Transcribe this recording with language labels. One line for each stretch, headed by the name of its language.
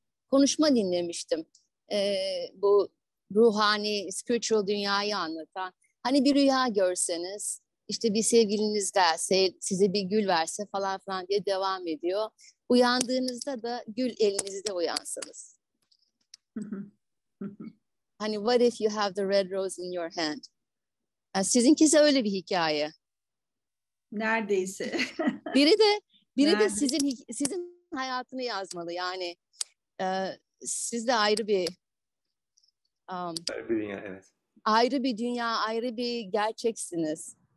Turkish: Konuşma dinlemiştim. Bu ruhani, spiritual dünyayı anlatan. Hani bir rüya görseniz, işte bir sevgiliniz gelse, size bir gül verse falan filan diye devam ediyor. Uyandığınızda da gül elinizde uyansınız. Hani
English: what if you have the red rose in your hand?
Turkish: Yani sizinkisi öyle bir hikaye. Neredeyse. biri de sizin hayatını yazmalı yani. Siz de ayrı bir ayrı bir dünya, evet. Ayrı bir dünya, ayrı bir gerçeksiniz.